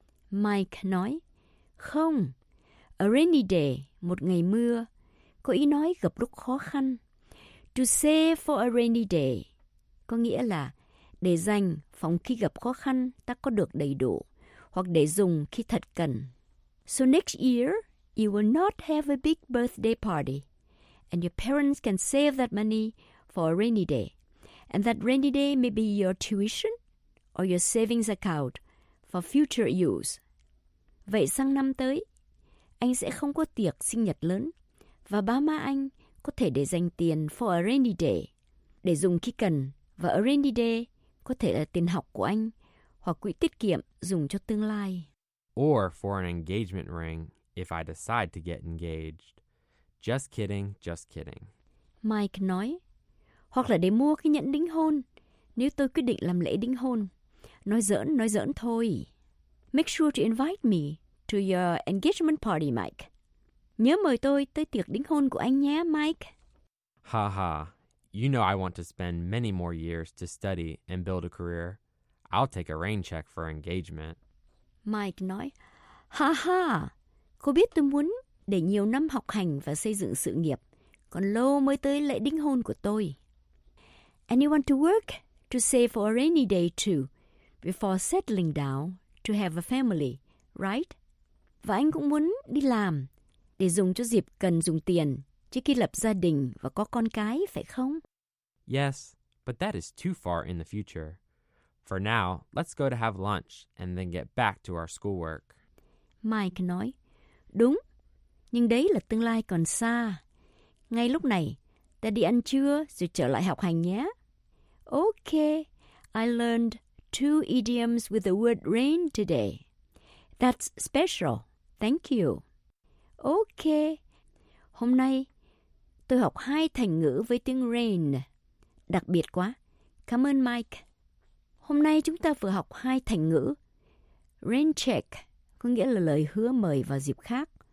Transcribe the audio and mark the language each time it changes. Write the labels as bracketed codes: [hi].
[vi] Mike nói, không, a rainy day, một ngày mưa, có ý nói gặp lúc khó khăn. [en] To save for a rainy day, [vi] có nghĩa là để dành phòng khi gặp khó khăn ta có được đầy đủ, hoặc để dùng khi thật cần. [en] So next year, you will not have a big birthday party, and your parents can save that money for a rainy day. And that rainy day may be your tuition or your savings account for future use. [vi] Vậy sang năm tới, anh sẽ không có tiệc sinh nhật lớn và ba má anh có thể để dành tiền for a rainy day để dùng khi cần và a rainy day có thể là tiền học của anh hoặc quỹ tiết kiệm dùng cho tương lai. [en] Or for an engagement ring if I decide to get engaged. Just kidding, just kidding. [vi] Mike nói, hoặc là để mua cái nhẫn đính hôn, nếu tôi quyết định làm lễ đính hôn. Nói giỡn thôi. [en] Make sure to invite me to your engagement party, Mike. [vi] Nhớ mời tôi tới tiệc đính hôn của anh nhé, Mike. [en] Ha ha, you know I want to spend many more years to study and build a career. I'll take a rain check for engagement. [vi] Mike nói, ha ha, cô biết tôi muốn để nhiều năm học hành và xây dựng sự nghiệp, còn lâu mới tới lễ đính hôn của tôi. [en] And you want to work to save for a rainy day too, before settling down to have a family, right? [vi] Và anh cũng muốn đi làm, để dùng cho dịp cần dùng tiền, trước khi lập gia đình và có con cái, phải không? [en] Yes, but that is too far in the future. For now, let's go to have lunch and then get back to our schoolwork. [vi] Mike nói, đúng, nhưng đấy là tương lai còn xa. Ngay lúc này, ta đi ăn trưa rồi trở lại học hành nhé. [en] Okay, I learned two idioms with the word rain today. That's special. Thank you. Okay. [vi] Hôm nay, tôi học hai thành ngữ với tiếng rain. Đặc biệt quá. Cảm ơn Mike. Hôm nay chúng ta vừa học hai thành ngữ. Rain check có nghĩa là lời hứa mời vào dịp khác.